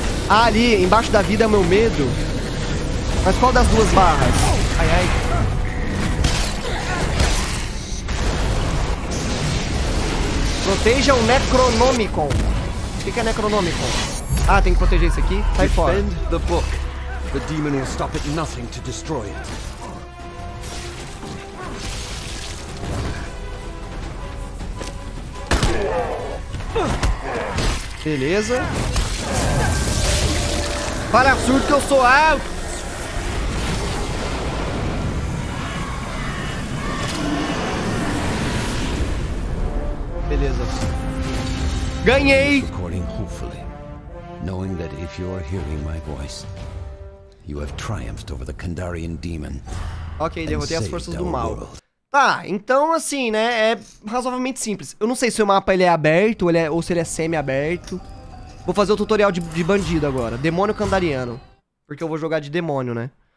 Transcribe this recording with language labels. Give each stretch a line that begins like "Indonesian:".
Portuguese: Ah, ali, embaixo da vida é o meu medo. Mas qual das duas barras? Ai, ai. Proteja o Necronomicon. O que é Necronomicon? Ah, tem que proteger isso aqui. Sai fora.
English: Defend the book. The demon will stop at nothing to destroy it.
Portuguese: Beleza. Para absurdo que eu sou alto. Beleza. Ganhei.
English: According, hopefully, knowing that if you are hearing my voice. You have triumphed over the Kandarian demon.
Portuguese: Ok, derrotei as forças do mal. Tá, então assim, né, é razoavelmente simples. Eu não sei se o mapa ele é aberto ou, ele é, ou se ele é semi-aberto. Vou fazer o tutorial de bandido agora. Demônio Kandariano. Porque eu vou jogar de demônio, né?